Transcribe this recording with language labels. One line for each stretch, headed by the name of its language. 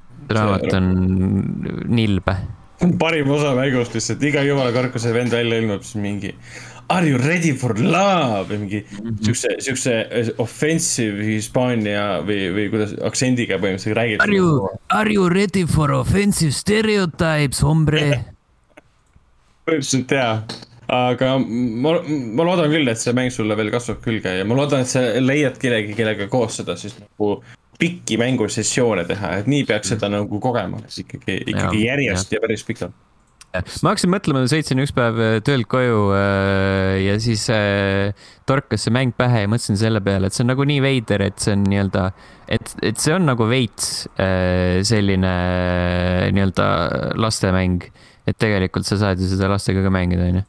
Estonian: Raamat on nilbe. Parim osa mängust, et iga jumala karku see vend välja ilmub, siis mingi
English: Are you ready for love?
Estonian: Mingi siukse offensive Hispaania või kuidas aksendiga põhimõtteliselt räägid.
English: Are you ready for offensive stereotypes, hombre?
Estonian: Põhimõtteliselt jah. Aga ma loodan küll, et see mäng sulle veel kasvab külge ja ma loodan, et sa leiad kellegi, kellega koos seda siis nagu pikki mängusessioone teha. Et nii peaks seda nagu kogema, siis ikkagi järjest ja päris pikalt. ma hakkasin mõtlema, sõitsin üks päev tööl koju ja siis torkas see mäng pähe ja mõtlesin selle peale, et see on nagu nii veider, et see on nii-öelda, et see on nagu veits selline nii-öelda lastemäng, et tegelikult sa saad seda lastega ka mängida.